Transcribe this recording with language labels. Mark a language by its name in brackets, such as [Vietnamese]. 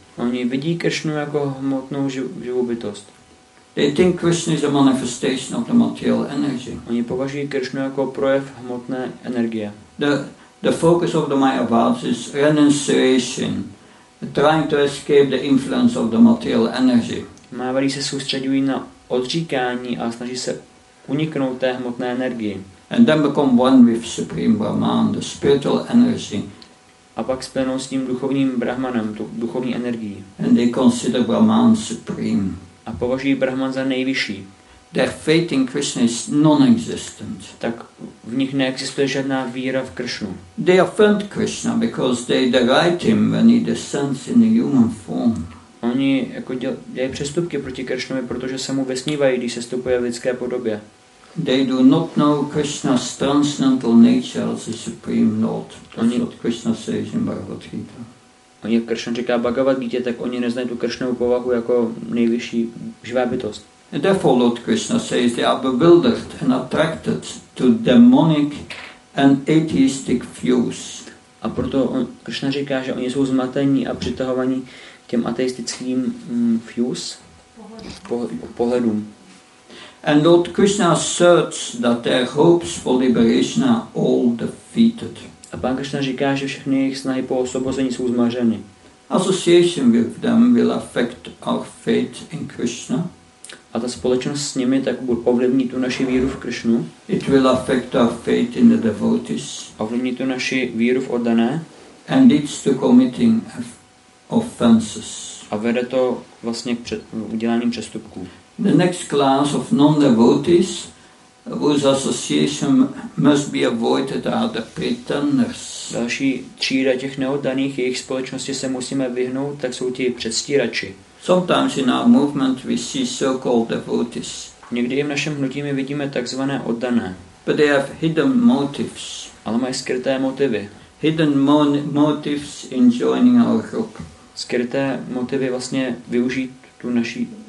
[Czech] Oni vidí Krishnu jako hmotnou živou bytost. [English] They think Krishna is a manifestation of the material energy. [Czech] Oni považují Krishnu jako projev hmotné energie. [English] The focus of the Mayavads is renunciation, trying to escape the influence of the material energy. [Czech] Mayavadi se soustředují na odříkání a snaží se uniknout té hmotné energii. [English] And then become one with Supreme Brahman, the spiritual energy. [Czech] A pak splenou s tím duchovním Brahmanem, tu duchovní energii. [English] And they consider Brahman supreme. [Czech] A považují Brahman za nejvyšší. [English] Their faith in Krishna is non-existent. [Czech] Tak v nich neexistuje žádná víra v Krishnu. [English] They offend Krishna because they deride him when he descends in a human form. [Czech] Oni jako dělají přestupky proti Krishnovi, protože se mu vysmívají, když se stupuje v lidské podobě. [English] They do not know Krishna's transcendental nature as the supreme lord. That's what Krishna says in Bhagavad Gita. [Czech] Oni, jak Krishna říká Bhagavad Gita, tak oni neznají tu Krishnovu povahu jako nejvyšší živá bytost. [English] And therefore Lord Krishna says they are bewildered and attracted to demonic and atheistic views. [Czech] A proto Krishna říká, že oni jsou zmatení a přitahovaní těm ateistickým views, pohledům. [English] And Lord Krishna asserts that their hopes for liberation are all defeated. [Czech] A pan Krishna říká, že všechny jejich snahy po osvobození jsou zmařeny. [English] Association with them will affect our faith in Krishna. [Czech] A ta společnost s nimi tak bude ovlivnit tu naši víru v Krishnu. [English] It will affect our faith in the devotees. [Czech] Ovlivní tu naši víru v oddané. [English] and leads to committing offenses. [Czech] A vede to vlastně k uděláním přestupků. [English] The next class of non-devotees whose association must be avoided are the pretenders. [Czech] Další třída těch neoddaných, jejich společnosti se musíme vyhnout, tak jsou ti předstírači. [English] Sometimes in our movement we see so-called devotees. [Czech] Někdy i v našem hnutí my vidíme takzvané oddané. [English] But they have hidden motives. [Czech] Ale mají skryté motivy. [English] Hidden motives in joining our group. [Czech] Skryté motivy vlastně využít tu naší